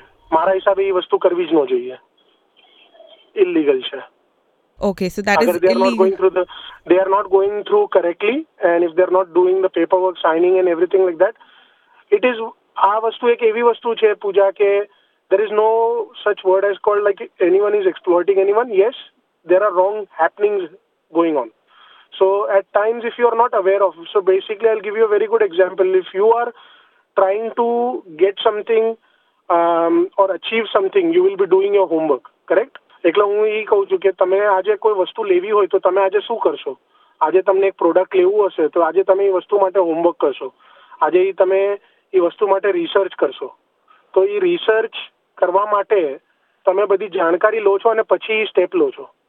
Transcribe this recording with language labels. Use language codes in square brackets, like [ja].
[gu] મારા હિસાબે એ વસ્તુ કરવી જ ન જોઈએ, ઇલીગલ છે. [en] okay, so that is they are not going through correctly, and if they are not doing the paper work signing and everything like that, it is [gu] આ વસ્તુ એક એવી વસ્તુ છે પૂજા કે [en] There is no such word as called like anyone is exploiting anyone. Yes, there are wrong happenings going on. So at times, if you are not aware of, so basically I'll give you a very good example. If you are trying to get something or achieve something, you will be doing your homework, correct? [gu] એટલા હું એ કહું છું કે તમે આજે કોઈ વસ્તુ લેવી હોય તો તમે આજે શું કરશો? આજે તમને એક પ્રોડક્ટ લેવું હશે તો આજે તમે એ વસ્તુ માટે હોમવર્ક કરશો, આજે તમે એ વસ્તુ માટે રિસર્ચ કરશો. તો એ રિસર્ચ કરવા માટે તમે બધી જાણકારી લો છો અને પછી એ સ્ટેપ લો છો.